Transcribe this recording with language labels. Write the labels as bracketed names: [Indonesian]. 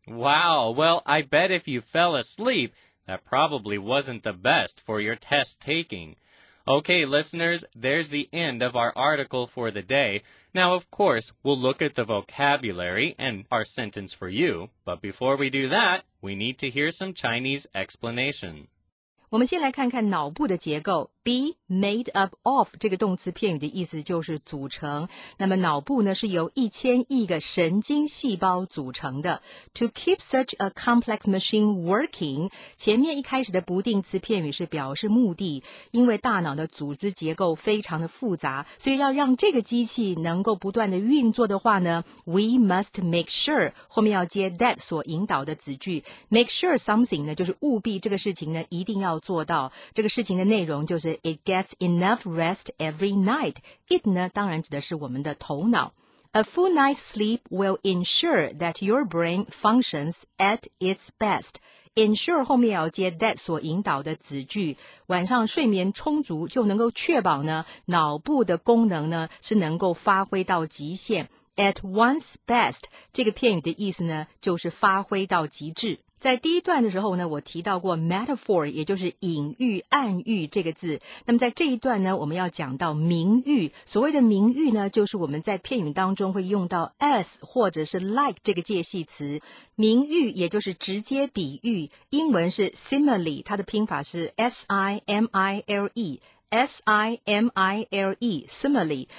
[English] Wow, well, I bet if you fell asleep, that probably wasn't the best for your test taking. Okay, listeners, there's the end of our article for the day. Now, of course, we'll look at the vocabulary and our sentence for you. But before we do that, we need to hear some Chinese explanation. [Chinese] 我们先来看看脑部的结构 , [English] be made up of, [Chinese] 这个动词片语的意思就是组成。那么脑部呢是由1000亿个神经细胞组成的。 [English] To keep such a complex machine working, [Chinese] 前面一开始的不定词片语是表示目的，因为大脑的组织结构非常的复杂，所以要让这个机器能够不断的运作的话呢 , [English] we must make sure, [Chinese] 后面要接 that 所引导的子句 ,make sure something 呢就是务必这个事情呢一定要做到这个事情的内容就是 [English] It gets enough rest every night. [Chinese] It 呢当然指的是我们的头脑。 [English] A full night's sleep will ensure that your brain functions at its best. [Chinese] Ensure 后面要接 that 所引导的子句。晚上睡眠充足就能够确保呢脑部的功能呢是能够发挥到极限。 [English] At one's best, [Chinese] 这个片语的意思呢就是发挥到极致。在第一段的时候呢我提到过 metaphor 也就是隐喻暗喻这个字那么在这一段呢我们要讲到名誉所谓的名誉呢就是我们在片语当中会用到 as 或者是 like 这个介系词名誉也就是直接比喻英文是 simile 它的拼法是 s-i-m-i-l-eSimile, simile.